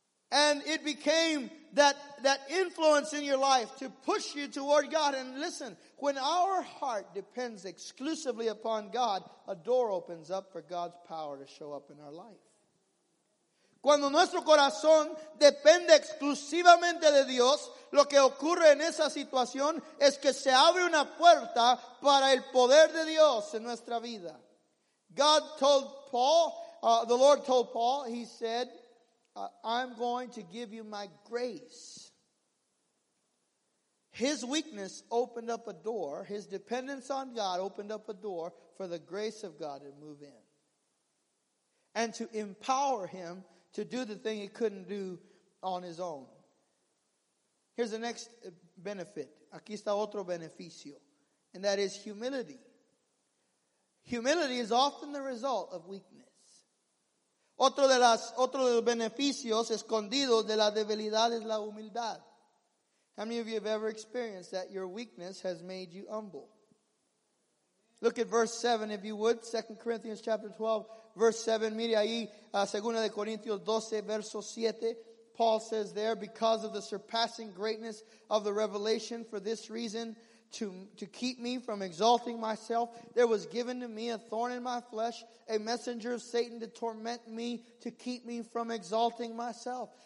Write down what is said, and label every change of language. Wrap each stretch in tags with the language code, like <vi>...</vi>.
<en>And it became that influence in your life to push you toward God. And listen, when our heart depends exclusively upon God, a door opens up for God's power to show up in our life.</en> <es>Cuando nuestro corazón depende exclusivamente de Dios, lo que ocurre en esa situación es que se abre una puerta para el poder de Dios en nuestra vida.</es> <en>God told Paul, the Lord told Paul, he said, I'm going to give you my grace. His weakness opened up a door. His dependence on God opened up a door for the grace of God to move in. And to empower him to do the thing he couldn't do on his own. Here's the next benefit.</en> <es>Aquí está otro beneficio.</es> <en>And that is humility. Humility is often the result of weakness.</en> <es>Otro de los beneficios escondidos de la debilidad es la humildad.</es> <en>How many of you have ever experienced that your weakness has made you humble? Look at verse 7, if you would. 2 Corinthians chapter 12, verse 7.</en> <es>Mire ahí, 2 Corinthians 12, verso 7.</es> <en>Paul says there, because of the surpassing greatness of the revelation, for this reason, to keep me from exalting myself, there was given to me a thorn in my flesh, a messenger of Satan to torment me, to keep me from exalting myself.</en>